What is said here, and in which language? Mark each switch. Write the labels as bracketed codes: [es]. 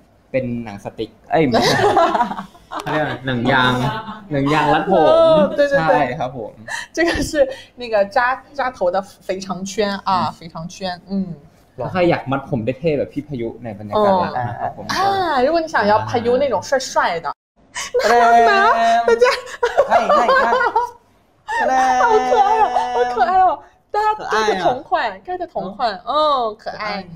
[th] เป็นหนังสติกเอ้ยหนังยางรัดผมใช่ครับผม [zh] 这个是那个扎头的肥肠圈啊肥肠圈 [th] ถ้าใครอยากมัดผมได้เท่แบบพี่พายุในบรรยากาศนะครับ ผม ถ้าคุณ [zh] 想要พายุ那种帅帅的 [th] แล้ว นะ แล้ว จะ ใ [zh] ช่ใช่ใช่好可爱哦好可爱哦盖的同款，盖的同款，可爱，